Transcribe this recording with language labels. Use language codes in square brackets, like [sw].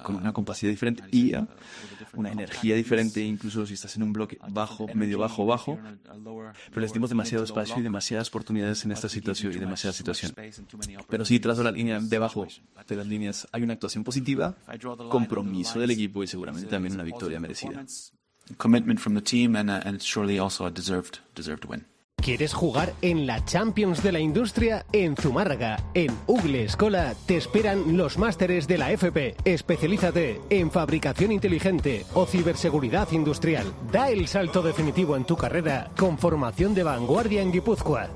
[es] Con una compasividad diferente y una energía diferente, incluso si estás en un bloque bajo, medio bajo, bajo. Pero les dimos demasiado espacio y demasiadas oportunidades en esta situación y demasiada situación. Pero sí, tras la línea, debajo de las líneas, hay una actuación positiva, compromiso del equipo y seguramente también una victoria merecida. [en] Commitment from the team and surely also a deserved win. [es] ¿Quieres jugar en la Champions de la Industria? En Zumárraga, en Ugle Escola, te esperan los másteres de la FP. Especialízate en fabricación inteligente o ciberseguridad industrial. Da el salto definitivo en tu carrera con formación de vanguardia en Guipúzcoa.